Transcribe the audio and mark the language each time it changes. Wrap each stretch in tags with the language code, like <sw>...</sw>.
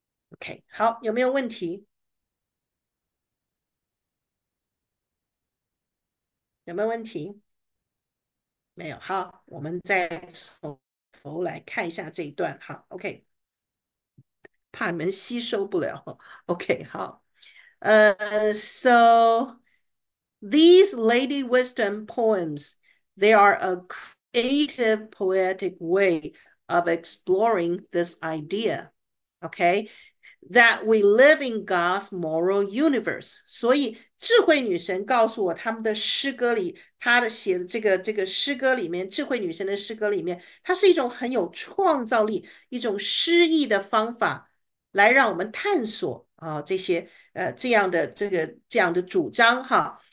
<zh>OK，好，有没有问题？有没有问题？没有，好，我们再从头来看一下这一段。好，OK，怕你们吸收不了。</zh> <en>OK，好，So these Lady Wisdom poems, they are a creative, poetic way of exploring this idea. OK, that we live in God's moral universe.</en> <zh>所以智慧女神告诉我，他们的诗歌里，她的写的这个诗歌里面，智慧女神的诗歌里面，它是一种很有创造力、一种诗意的方法，来让我们探索啊这些这样的这样的主张哈。</zh>